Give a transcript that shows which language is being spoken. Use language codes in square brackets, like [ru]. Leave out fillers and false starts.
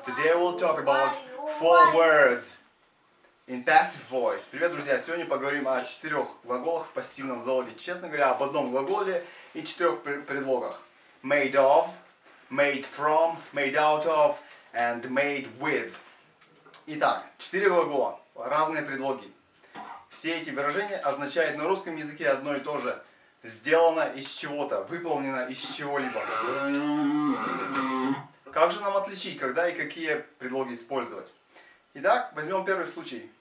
[en] Today we'll talk about four words in passive voice. [ru] Привет, друзья! Сегодня поговорим о четырех глаголах в пассивном залоге. Честно говоря, об одном глаголе и четырех предлогах. [en] Made of, made from, made out of, and made with. [ru] Итак, четыре глагола, разные предлоги. Все эти выражения означают на русском языке одно и то же. Сделано из чего-то, выполнено из чего-либо. Как же нам отличить, когда и какие предлоги использовать? Итак, возьмем первый случай.